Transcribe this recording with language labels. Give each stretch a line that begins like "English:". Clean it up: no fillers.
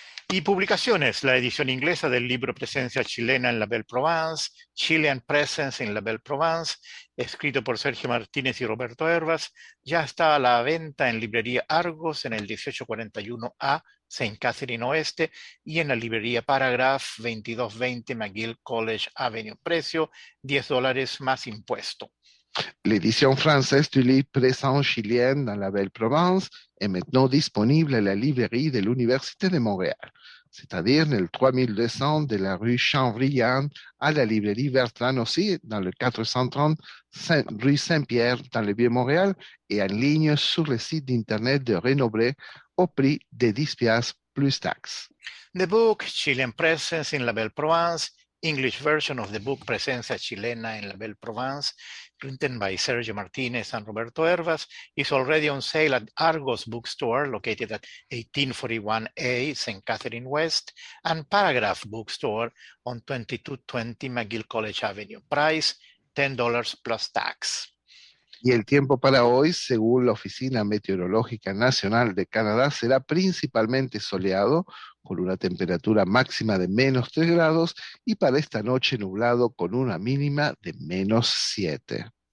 Spanish: Y publicaciones, la edición inglesa del libro Presencia chilena en la Belle Provence, Chilean Presence in la Belle Provence, escrito por Sergio Martínez y Roberto Hervas, ya está a la venta en librería Argos en el 1841A, Saint Catherine Oeste, y en la librería Paragraph 2220 McGill College Avenue. Precio, $10 más impuesto.
French: L'édition française du livre Présent chilien dans la Belle Provence est maintenant disponible à la librairie de l'Université de Montréal, c'est-à-dire le 3200 de la rue Chambrian à la librairie Bertrand aussi, dans le 430 rue Saint-Pierre dans le Vieux-Montréal et en ligne sur le site d'Internet de Renoblet au prix de 10 piastres plus taxes.
English: The book, Chilean Presence in la Belle Provence, English version of the book Presencia chilena en la Belle Provence, written by Sergio Martínez and Roberto Hervas, is already on sale at Argos Bookstore, located at 1841A St. Catherine West, and Paragraph Bookstore on 2220 McGill College Avenue. Price, $10 plus tax.
Spanish: Y el tiempo para hoy, según la Oficina Meteorológica Nacional de Canadá, será principalmente soleado, con una temperatura máxima de menos 3 grados y para esta noche nublado con una mínima de menos 7.